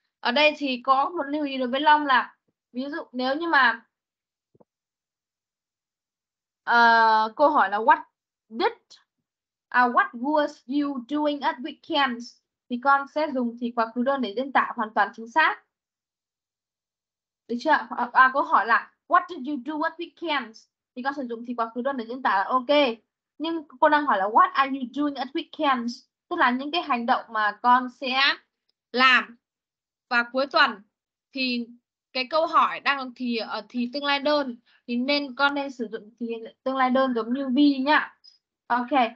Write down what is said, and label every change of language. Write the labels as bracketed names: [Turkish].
[Vietnamese] Ở đây thì có một lưu ý đối với Long là ví dụ nếu như mà câu hỏi là [English] what was you doing at weekends? [Vietnamese] Thì con sẽ dùng thì quá khứ đơn để diễn tả hoàn toàn chính xác. Được chưa? Câu hỏi là [English] what did you do at weekends? [Vietnamese] Thì con sử dụng thì quá khứ đơn để diễn tả là ok. Nhưng cô đang hỏi là [English] what are you doing at weekends? [Vietnamese] Tức là những cái hành động mà con sẽ làm vào cuối tuần. Thì cái câu hỏi đang thì tương lai đơn. Thì nên con nên sử dụng thì tương lai đơn giống như be nhá. Ok.